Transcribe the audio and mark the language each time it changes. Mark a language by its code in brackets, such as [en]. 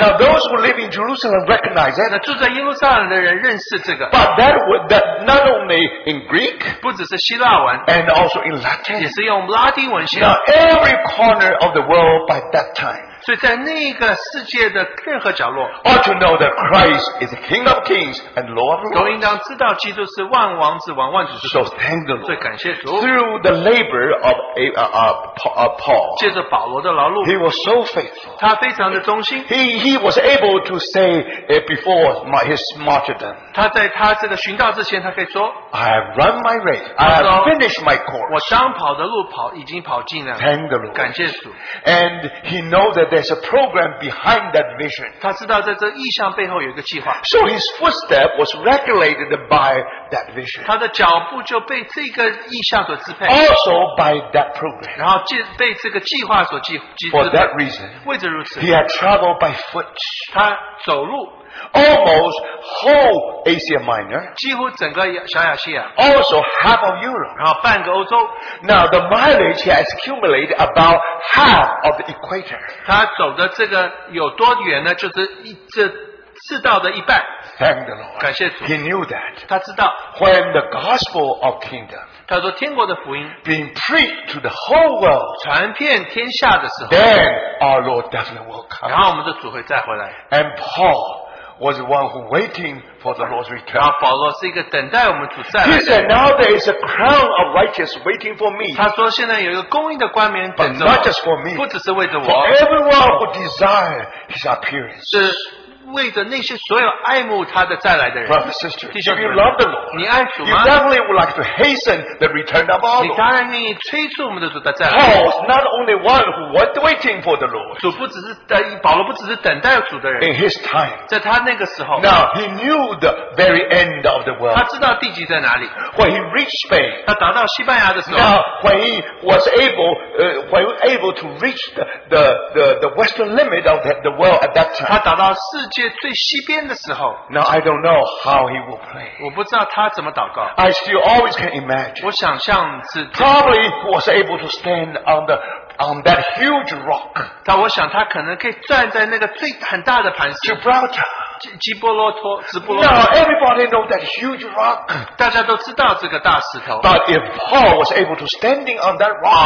[en] Now those who live in Jerusalem recognize that. [zh] 那住在耶路撒冷的人认识这个。 [en] But that word that not only in Greek. [zh] 不只是希腊文。 [en] And also in Latin. [zh] 也是用拉丁文写。 [en] Now every corner of the world by that time. [zh] 所以在那个世界的任何角落 [en] ought to know that Christ is King of Kings and Lord of Lords. [zh] 都应当知道基督是万王之王万主之主。 [en] So thank the Lord. [zh] 所以感谢主。 [en] Through the labor of Paul, [zh] 借着保罗的劳碌 [en] he was so faithful. [zh] 他非常的忠心。 [en] He was able to say before his martyrdom. [zh] 他在他这个殉道之前他可以说 [en] I have run my race. I have finished my course. [zh] 我当跑的路跑已经跑尽了。 [en] Thank the Lord. [zh] 感谢主。 [en] And he knows that there's a program behind that vision. [zh] 他知道在这意象背后有一个计划。 [en] So his footstep was regulated by that vision. [zh] 他的脚步就被这个意象所支配。 [en] Also by that program. [zh] 然后被这个计划所支配。 [en] For that reason, [zh] 为着如此。 [en] He had traveled by foot. [zh] 他走路。 [en] Almost whole Asia Minor, [zh] 几乎整个小亚细亚 [en] also half of Europe, [zh] 然后半个欧洲 [en] Now the mileage has accumulated about half of the equator. [zh] 他走的这个有多远呢？就是一这赤道的一半。 [en] Thank the Lord, [zh] 感谢主。 [en] He knew that. [zh] 他知道 [en] when the gospel of kingdom. [zh] 他说天国的福音 [en] being preached to the whole world, [zh] 传遍天下的时候 [en] then our Lord definitely will come. [zh] 然后我们的主会再回来 [en] and Paul. Was the one who waiting for the Lord's return. [zh] 然后保罗是一个等待我们主再来的。 [en] He said, "Now there is a crown of righteousness waiting for me." [zh] 他说现在有一个公义的冠冕等着我。 [en] But not just for me. [zh] 不只是为着我。 [en] For everyone who desires His appearance. [zh] 是为着那些所有爱慕他的再来的人。 [en] Brother, sister, if you love the Lord, [zh] 你爱主吗 [en] ？You definitely would like to hasten the return of our Lord. [zh] 你当然愿意催促我们的主的再来。 [en] Paul is not only one who was waiting for the Lord. [zh] 主不只是在保罗不只是等待主的人。 [en] In his time, [zh] 在他那个时候。 [en] Now he knew the very end of the world. [zh] 他知道地极在哪里。 [en] When he reached Spain, [zh] 他达到西班牙的时候。 [en] Now when he was able, when able to reach the western limit of the world at that time. [zh] 他达到世界。最西边的时候 [en] Now I don't know how he will pray. [zh] 我不知道他怎么祷告 [en] I still always can imagine. [zh] 我想象是 [en] Probably was able to stand on that huge rock. [zh] 但我想他可能可以站在那个最很大的磐石 [en] Gibraltar. [zh] 基波罗托 [en] Now everybody knows that huge rock. [zh] 大家都知道这个大石头 [en] But if Paul was able to standing on that rock.